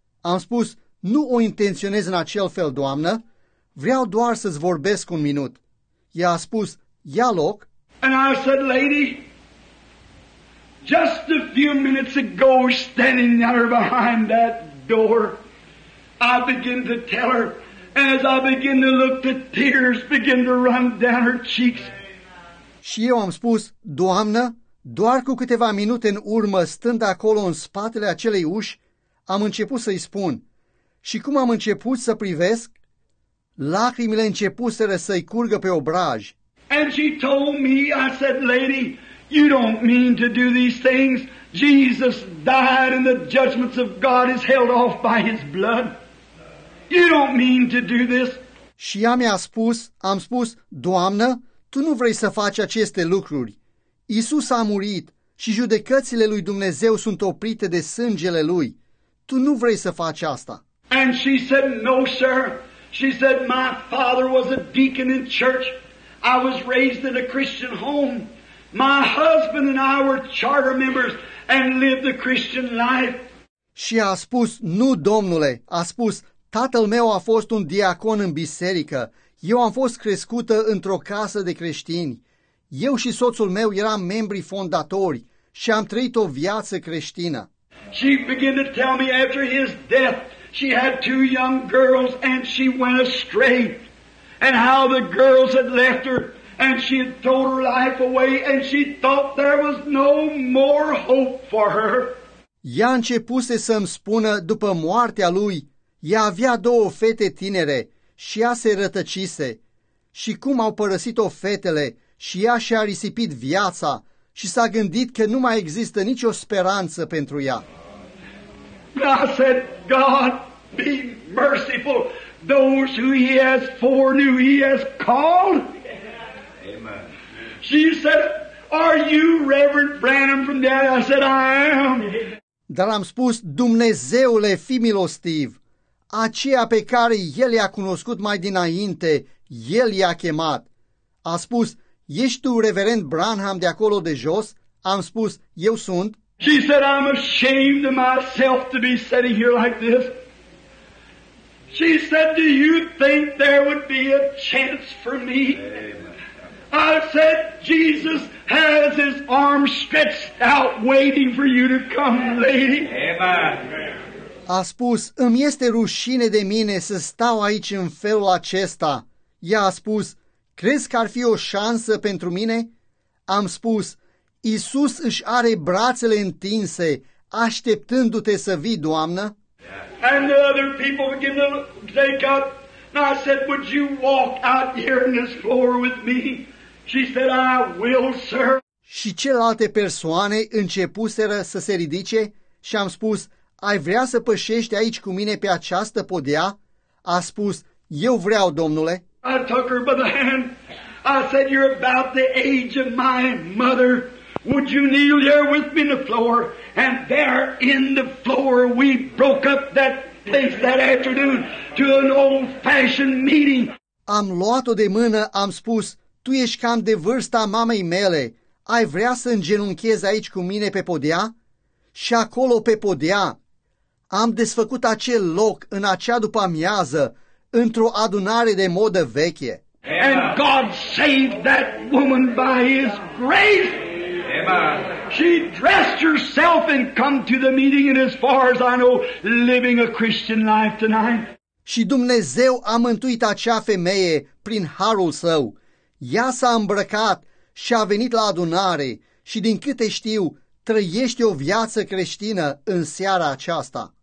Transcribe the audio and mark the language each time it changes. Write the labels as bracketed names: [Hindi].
[Romanian] Am spus, Nu o intenționez în acel fel, doamnă. Vreau doar să-ți vorbesc un minut. Ea a spus, Ia loc. [English] And I said, Lady, just a few minutes ago, standing there behind that door, I begin to tell her, As I begin to look, the tears begin to run down her cheeks. [Romanian] Și eu am spus, Doamnă, doar cu câteva minute în urmă, stând acolo în spatele acelei uși, am început să-i spun. Și cum am început să privesc, lacrimile începuseră să-i curgă pe obraj. [English] And she told me, I said, Lady, you don't mean to do these things. Jesus died and the judgments of God is held off by His blood. You don't mean to do this. [Romanian] Și ea mi-a spus, am spus, Doamnă, Tu nu vrei să faci aceste lucruri. Iisus a murit și judecățile lui Dumnezeu sunt oprite de sângele Lui. tu nu vrei să faci asta. [English] And she said, no, sir. She said, my father was a deacon in church. I was raised in a Christian home. My husband and I were charter members and lived the Christian life. [Romanian] Și a spus, nu, domnule, a spus, tatăl meu a fost un diacon în biserică. Eu am fost crescută într-o casă de creștini. Eu și soțul meu eram membri fondatori și am trăit o viață creștină. [English] She began to tell me after his death, she had two young girls and she went astray. And how the girls had left her and she had thrown her life away and she thought there was no more hope for her. [Romanian] Ea începuse să-mi spună după moartea lui, ea avea două fete tinere și ea se rătăcise. Și cum au părăsit-o fetele și ea și-a risipit viața și s-a gândit că nu mai există nicio speranță pentru ea. [English] I said, God, be merciful. Those who he has foreknew, he has called. Amen. She said, are you Reverend Branham from that? I said, I am. [Romanian] Dar am spus, Dumnezeule, fi milostiv, aceea pe care El i-a cunoscut mai dinainte, El i-a chemat. A spus, ești tu Reverend Branham de acolo de jos? Am spus, eu sunt. [English] She said, I'm ashamed of myself to be sitting here like this. She said, do you think there would be a chance for me? Amen. I said, Jesus has his arms stretched out waiting for you to come, lady. Amen. [Romanian] A spus, îmi este rușine de mine să stau aici în felul acesta. Ea a spus, crezi că ar fi o șansă pentru mine? Am spus, Iisus își are brațele întinse, așteptându-te să vii, Doamnă. [English] And the other people begin to take up. And I said, would you walk out here in this floor with me? She said, I will, sir. [Romanian] Și celelalte persoane începuseră să se ridice și am spus, ai vrea să pășești aici cu mine pe această podea? A spus, eu vreau, domnule. [English] I took her by the hand. I said, you're about the age of my mother. Would you kneel there with me in the floor? And there in the floor we broke up that place that afternoon to an old-fashioned meeting. [Romanian] Am luat-o de mână, am spus, tu ești cam de vârsta mamei mele. Ai vrea să îngenunchezi aici cu mine pe podea? Și acolo pe podea am desfăcut acel loc în acea după-amiază într-o adunare de modă veche. [English] And God saved that woman by his grace. She dressed herself and come to the meeting and as far as I know, living a Christian life tonight. [Romanian] Și Dumnezeu a mântuit acea femeie prin harul său. Ea s-a îmbrăcat și a venit la adunare și din câte știu, trăiește o viață creștină în seara aceasta.